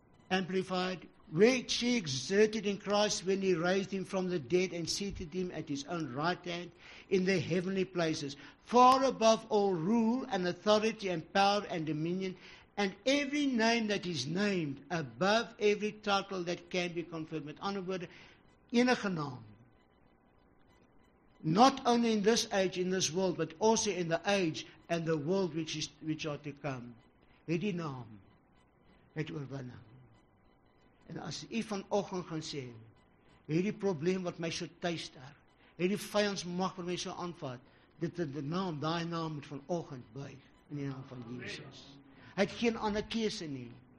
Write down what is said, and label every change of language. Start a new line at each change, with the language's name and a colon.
English: Amplified, which he exerted in Christ when he raised him from the dead and seated him at his own right hand in the heavenly places, far above all rule and authority and power and dominion, and every name that is named, above every title that can be confirmed.
Afrikaans: Met andere woorde, enige naam.
English: Not only in this age, in this world, but also in the age and the world which are to come.
Afrikaans: Het die naam, het oorwinning. En as u vanoggend gaan sê, het die probleem wat my so teister, het die vijandsmag wat my so aanvat, dit het die naam, die naam moet vanoggend buig, in die naam van Jesus. Het geen ander keuse nie.